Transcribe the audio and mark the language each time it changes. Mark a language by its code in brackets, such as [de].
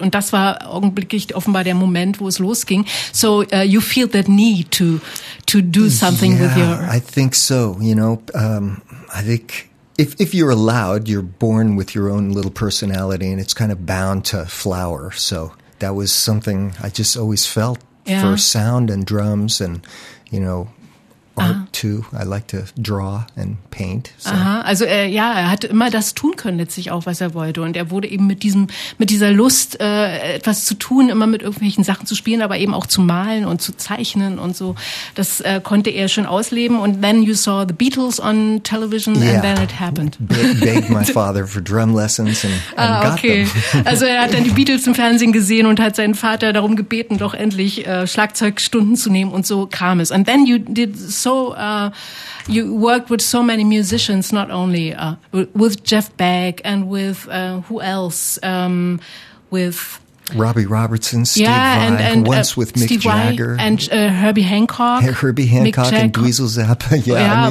[de] Und das war augenblicklich offenbar der Moment, wo es losging. [en] So you feel that need to do something with your... I think so. You know, I think... If you're allowed, you're born with your own little personality and it's kind of bound to flower. So that was something I just always felt for sound and drums and, you know, art too. I like to draw and paint. So. Aha. [de] Also er hat immer das tun können letztlich auch, was er wollte. Und er wurde eben mit dieser Lust, etwas zu tun, immer mit irgendwelchen Sachen zu spielen, aber eben auch zu malen und zu zeichnen und so. Das konnte er schon ausleben. [en] Und then you saw the Beatles on television and then it happened. Begged my father for drum lessons and got them. [de] Also er hat dann die Beatles im Fernsehen gesehen und hat seinen Vater darum gebeten, doch endlich Schlagzeugstunden zu nehmen. Und so kam es. [en] And then you did... So you worked with so many musicians, not only with Jeff Beck and with who else? With Robbie Robertson, Steve Vai, and once with Mick Steve Jagger. Vai and Herbie Hancock. Herbie Hancock and Dweezil Zappa.